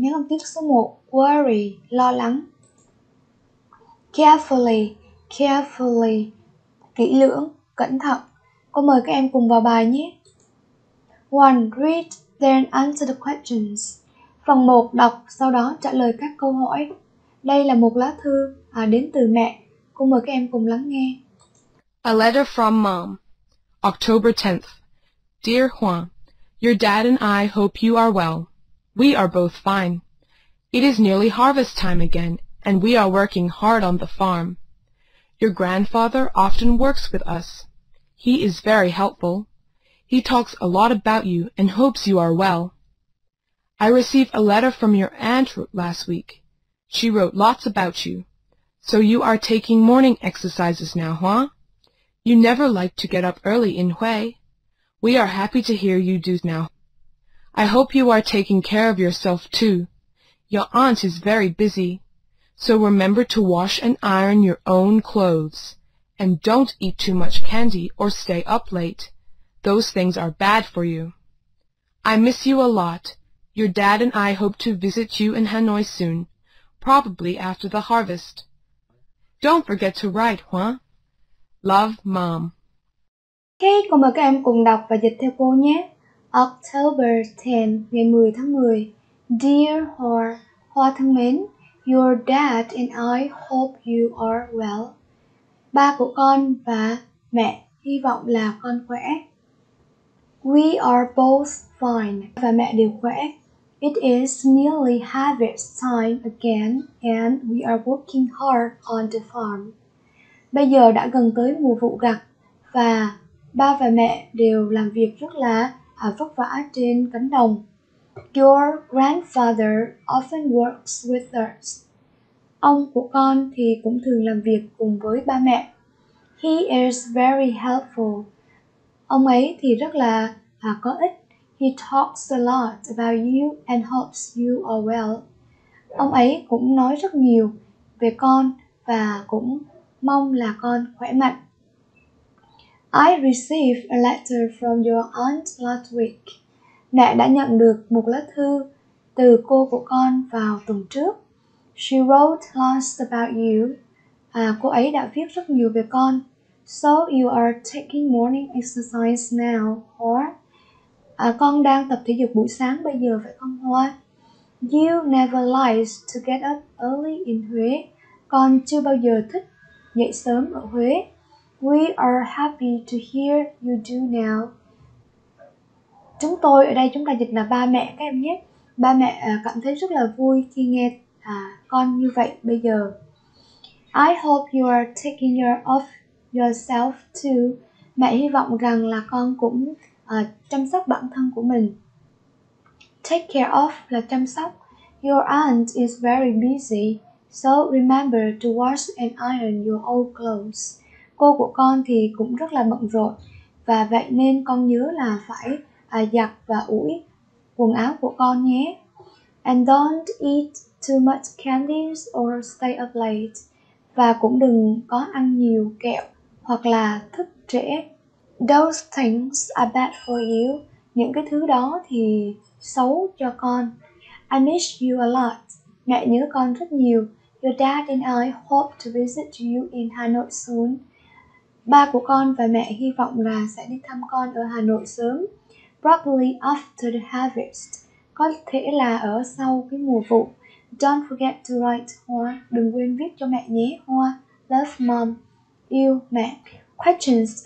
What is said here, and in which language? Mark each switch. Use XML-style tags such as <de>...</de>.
<vi>nhấn âm tiết số 1, worry, lo lắng. Carefully, kỹ lưỡng, cẩn thận. Cô mời các em cùng vào bài nhé. 1.</vi> <en>Read, then answer the questions.</en> <vi>Phần 1. Đọc, sau đó trả lời các câu hỏi. Đây là một lá thư đến từ mẹ. Cô mời các em cùng lắng nghe.</vi> <en>A letter from mom, October 10th. Dear Juan, your dad and I hope you are well. We are both fine. It is nearly harvest time again, and we are working hard on the farm. Your grandfather often works with us. He is very helpful. He talks a lot about you and hopes you are well. I received a letter from your aunt last week. She wrote lots about you. So you are taking morning exercises now, huh? You never liked to get up early in Hue. We are happy to hear you do now. I hope you are taking care of yourself too. Your aunt is very busy. So remember to wash and iron your own clothes. And don't eat too much candy or stay up late. Those things are bad for you. I miss you a lot. Your dad and I hope to visit you in Hanoi soon, probably after the harvest. Don't forget to write, huh? Love, Mom.</en> <vi>Okay, cô mời các em cùng đọc và dịch theo cô nhé. October 10, ngày 10 tháng 10. Dear Hoa thân mến.</vi> <en>Your dad and I hope you are well.</en> <vi>Ba của con và mẹ hy vọng là con khỏe.</vi> <en>We are both fine.</en> <vi>Và mẹ đều khỏe.</vi> <en>It is nearly harvest time again and we are working hard on the farm.</en> <vi>Bây giờ đã gần tới mùa vụ gặt và ba và mẹ đều làm việc rất là vất vả trên cánh đồng.</vi> <en>Your grandfather often works with us.</en> <vi>Ông của con thì cũng thường làm việc cùng với ba mẹ.</vi> <en>He is very helpful.</en> <vi>Ông ấy thì rất là có ích.</vi> <en>He talks a lot about you and hopes you are well.</en> <vi>Ông ấy cũng nói rất nhiều về con và cũng mong là con khỏe mạnh.</vi> <en>I received a letter from your aunt last week.</en> <vi>Mẹ đã nhận được một lá thư từ cô của con vào tuần trước.</vi> <en>She wrote lots about you.</en> <vi>À, cô ấy đã viết rất nhiều về con.</vi> <en>So you are taking morning exercise now, Hoa.</en> <vi>À, con đang tập thể dục buổi sáng bây giờ phải không Hoa?</vi> <en>You never liked to get up early in Huế.</en> <vi>Con chưa bao giờ thích dậy sớm ở Huế.</vi> <en>We are happy to hear you do now.</en> <vi>Chúng tôi ở đây chúng ta dịch là ba mẹ các em nhé. Ba mẹ cảm thấy rất là vui khi nghe con như vậy bây giờ.</vi> <en>I hope you are taking care of yourself too.</en> <vi>Mẹ hy vọng rằng là con cũng chăm sóc bản thân của mình.</vi> <en>Take care of</en> <vi>là chăm sóc.</vi> <en>Your aunt is very busy, so remember to wash and iron your old clothes.</en> <vi>Cô của con thì cũng rất là bận rộn và vậy nên con nhớ là phải giặt và ủi quần áo của con nhé.</vi> <en>And don't eat too much candies or stay up late.</en> <vi>Và cũng đừng có ăn nhiều kẹo hoặc là thức trễ.</vi> <en>Those things are bad for you.</en> <vi>Những cái thứ đó thì xấu cho con.</vi> <en>I miss you a lot.</en> <vi>Mẹ nhớ con rất nhiều.</vi> <en>Your dad and I hope to visit you in Hanoi soon.</en> <vi>Ba của con và mẹ hy vọng là sẽ đi thăm con ở Hà Nội sớm.</vi> <en>Probably after the harvest.</en> <vi>Có thể là ở sau cái mùa vụ.</vi> <en>Don't forget to write Hoa.</en> <vi>Đừng quên viết cho mẹ nhé Hoa.</vi> <en>Love mom.</en> <vi>Yêu mẹ. Questions.</vi>